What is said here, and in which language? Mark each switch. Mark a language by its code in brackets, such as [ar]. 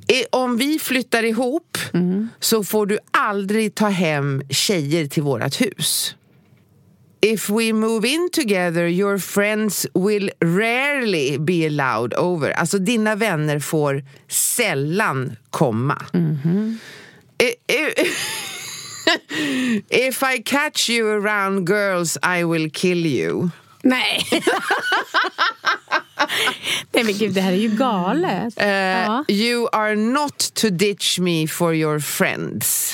[sv] Om vi flyttar ihop så får du aldrig ta hem tjejer till vårat hus. [en] If we move in together, your friends will rarely be allowed over. [sv] Alltså, dina vänner får sällan komma. Mm-hmm. [en] If I catch you around girls, I will kill you. [sv] Nej. Nej, men gud, det här är ju galet. [en] You are not to ditch me for your friends.